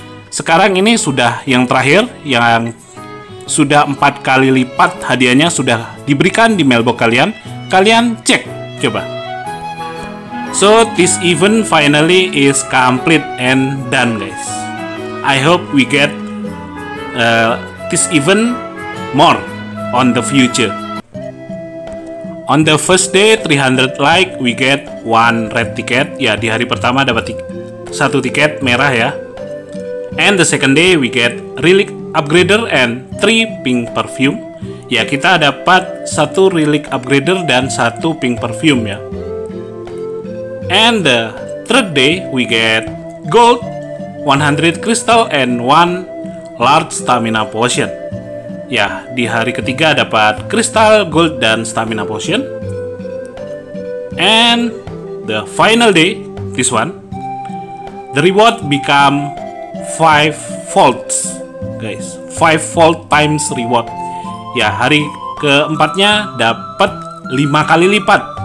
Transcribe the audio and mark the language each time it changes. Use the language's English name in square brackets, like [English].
[Indonesian] Sekarang ini sudah yang terakhir, yang sudah 4 kali lipat hadiahnya sudah diberikan di mailbox kalian. Kalian cek, coba. [English] So, this event finally is complete and done, guys. I hope we get this event more on the future. On the first day, 300 like, we get 1 red ticket. [Indonesian] Ya, di hari pertama dapat 1 tiket merah ya. [English] And the second day, we get Relic Upgrader and 3 Pink Perfume. [Indonesian] Ya, kita dapat 1 Relic Upgrader dan 1 Pink Perfume ya. [English] And the third day, we get Gold, 100 Crystal, and 1 Large Stamina Potion. [Indonesian] Ya, di hari ketiga dapat Crystal, Gold, dan Stamina Potion. [English] And the final day, this one, the reward become 5 volts, guys. 5 volt times reward. [Indonesian] Ya, hari keempatnya dapat 5 kali lipat.